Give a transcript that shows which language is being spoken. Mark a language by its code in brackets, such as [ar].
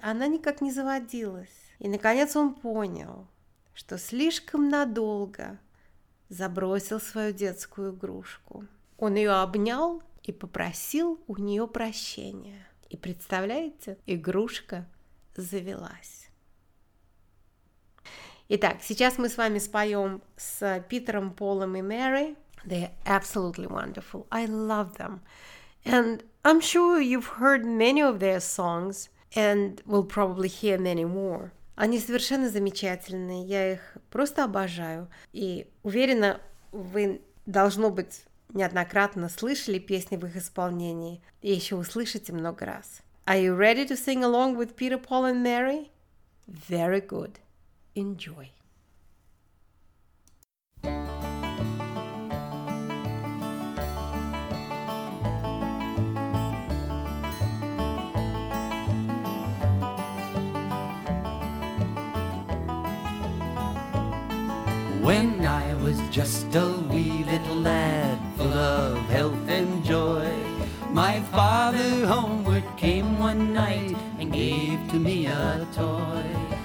[ru] Она никак не заводилась. И, наконец, он понял, что слишком надолго забросил свою детскую игрушку. Он ее обнял и попросил у нее прощения. И, представляете, игрушка завелась. Итак, сейчас мы с вами споем с Питером, Полом и Мэри. [en] They're absolutely wonderful. I love them. And I'm sure you've heard many of their songs and will probably hear many more. [ru] Они совершенно замечательные. Я их просто обожаю. И уверена, вы, должно быть, неоднократно слышали песни в их исполнении и еще услышите много раз. [en] Are you ready to sing along with Peter, Paul and Mary? Very good. Enjoy. When I was just a wee little lad, full of health and joy, my father homeward came one night and gave to me a toy.